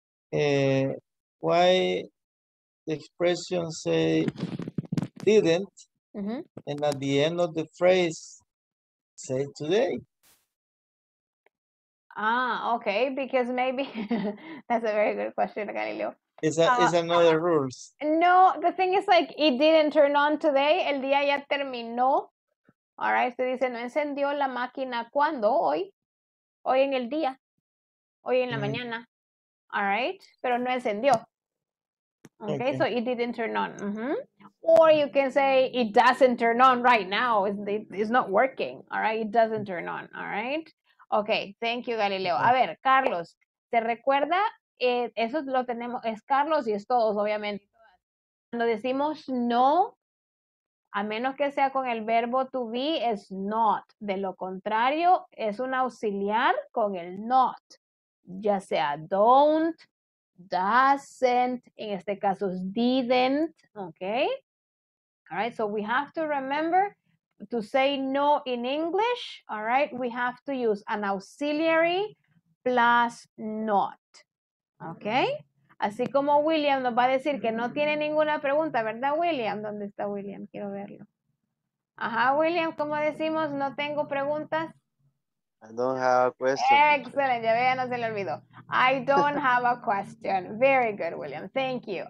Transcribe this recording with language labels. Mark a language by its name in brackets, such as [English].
[English] Why the expression say didn't, and at the end of the phrase say today? Ah, okay, because maybe that's a very good question, Galileo. It's another rules. No, the thing is like, it didn't turn on today. [Spanish] El día ya terminó. [English] All right, [Spanish] usted dice, no encendió la máquina cuando hoy. Hoy en el día. Hoy en la mañana. [English] All right, [Spanish] pero no encendió. [English] Okay, so it didn't turn on. Or you can say, it doesn't turn on right now. It's not working. All right, it doesn't turn on. All right. Okay, thank you, [Spanish] Galileo. A ver, Carlos, ¿te recuerda? Eso lo tenemos, es Carlos y es todos, obviamente. Cuando decimos no, a menos que sea con el verbo to be, es not. De lo contrario, es un auxiliar con el not. Ya sea don't, doesn't, en este caso es didn't, okay? [English] All right, so we have to remember to say no in English, all right? We have to use an auxiliary plus not. [Spanish] Okay, así como William nos va a decir que no tiene ninguna pregunta, ¿verdad, William? ¿Dónde está William? Quiero verlo. Ajá, William, ¿cómo decimos? No tengo preguntas. [English] I don't have a question. [Spanish] Excelente, ya vea, no se le olvidó. [English] I don't have a question. Very good, William. Thank you.